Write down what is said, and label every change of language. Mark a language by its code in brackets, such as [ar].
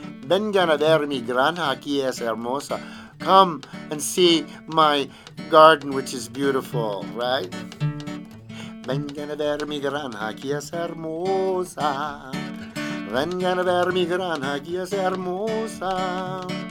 [es] Vengan a ver mi granja, aquí es hermosa. [en] Come and see my garden, which is beautiful, right? [es] Vengan a ver mi granja, aquí es hermosa. Vengan a ver mi granja, aquí es hermosa.